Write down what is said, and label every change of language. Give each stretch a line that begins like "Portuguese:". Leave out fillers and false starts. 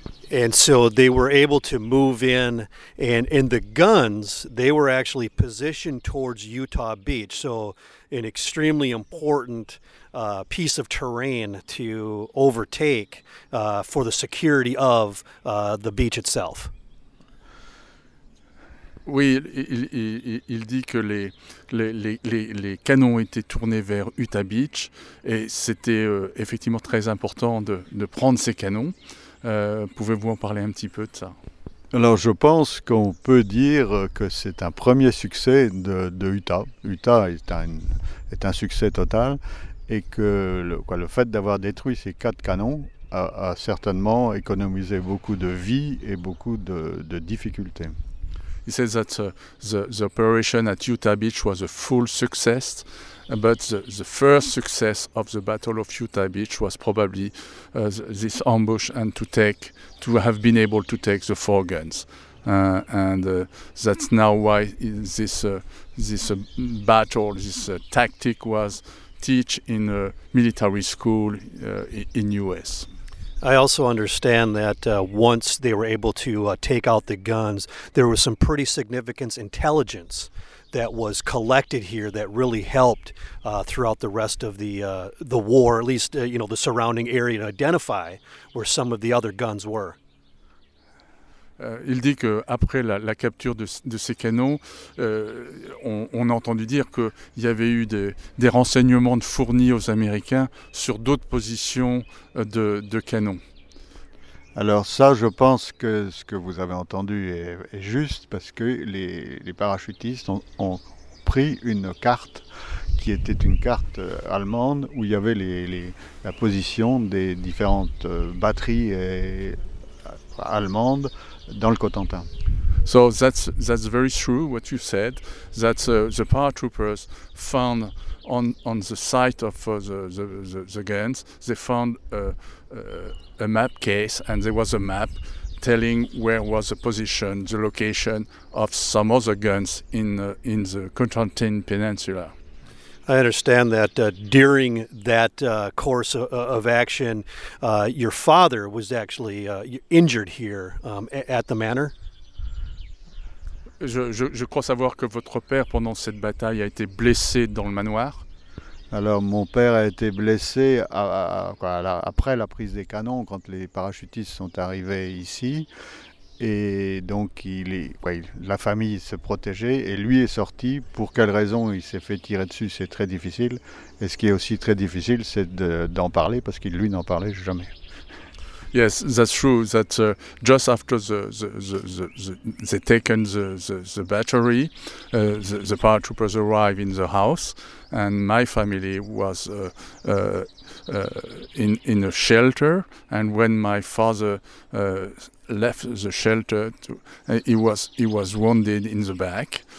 English: And so they were able to move in, and the guns, they were actually positioned towards Utah Beach. So an extremely important piece of terrain to overtake for the security of the beach itself.
French: Oui, il dit que les canons étaient tournés vers Utah Beach et c'était effectivement très important de prendre ces canons. Pouvez-vous en parler un petit peu de ça? Alors je pense qu'on peut dire que c'est un premier succès de Utah. Utah est un succès total et que le fait d'avoir détruit ces quatre canons a certainement économisé beaucoup de vie et beaucoup de difficultés.
English: He says that the operation at Utah Beach was a full success, but the first success of the Battle of Utah Beach was probably this ambush and to have been able to take the four guns. That's now why this tactic was teach in a military school in U.S. I also understand that once they were able to take out the guns, there was some pretty significant intelligence that was collected here that really helped throughout the rest of the war, at least the surrounding area, to identify where some of the other guns were.
French: Il dit que après la capture de ces canons, on a entendu dire qu'il y avait eu des renseignements fournis aux Américains sur d'autres positions de canons. Alors ça, je pense que ce que vous avez entendu est juste parce que les parachutistes ont pris une carte qui était une carte allemande où il y avait la position des différentes batteries allemandes. Dans le Cotentin.
English: So that's very true what you said, that the paratroopers found on the site of the guns, they found a map case, and there was a map telling where was the position, the location of some other guns in the Cotentin Peninsula. I understand that during that course of action, your father was actually injured here at the manor.
French: Je crois savoir que votre père, pendant cette bataille, a été blessé dans le manoir. Alors, mon père a été blessé après la prise des canons, quand les parachutistes sont arrivés ici. Et donc, la famille se protégeait et lui est sorti. Pour quelle raison il s'est fait tirer dessus, c'est très difficile. Et ce qui est aussi très difficile, c'est d'en parler parce qu'il lui n'en parlait jamais.
English: Yes, that's true. That just after they taken the battery, the paratroopers arrive in the house, and my family was in a shelter. And when my father left the shelter, he was wounded in the back.